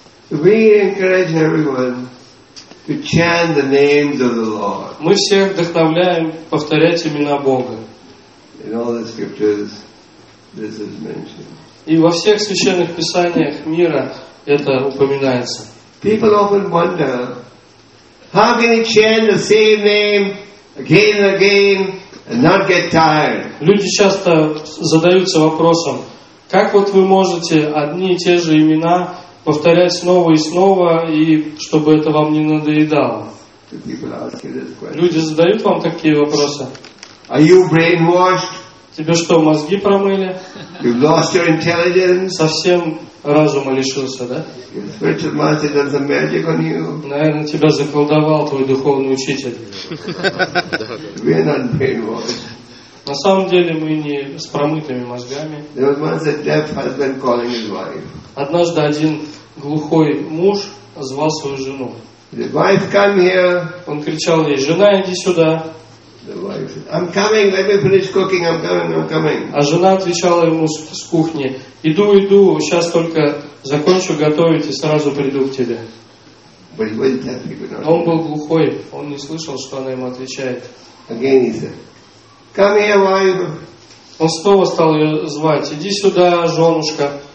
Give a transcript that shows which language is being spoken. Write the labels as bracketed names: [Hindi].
[English] We encourage everyone to chant the names of the Lord. [Russian] Мы всех вдохновляем повторять имена Бога. [English] In all the scriptures, this is mentioned. [Russian] И во всех священных писаниях мира это упоминается. [English] People often wonder, how can you chant the same name again and again and not get tired? [Russian] Люди часто задаются вопросом, как вот вы можете одни и те же имена повторять снова и снова, и чтобы это вам не надоедало? Люди задают вам такие вопросы. [English] Are you brainwashed? [Russian] Тебе что, мозги промыли? [English] You've lost your intelligence? [Russian] Совсем разума лишился, да? [English] Richard Martin does a magic on you. [Russian] Наверное, тебя заколдовал твой духовный учитель. [English] We're not brainwashed. [Russian] На самом деле мы не с промытыми мозгами. [English] There was a deaf husband calling his wife. [Russian] Однажды один глухой муж звал свою жену. [English] The wife, come here. [Russian] Он кричал ей: «Жена, иди сюда». [English] The wife said, I'm coming, let me finish cooking, I'm coming. [Russian] А жена отвечала ему с кухни: Иду, сейчас только закончу готовить и сразу приду к тебе. [English] But he was deaf, he could not hear. [Russian] Он был глухой, он не слышал, что она ему отвечает. [English] Again he said, come here, wife. [Russian] Он снова стал ее звать: иди сюда, женушка.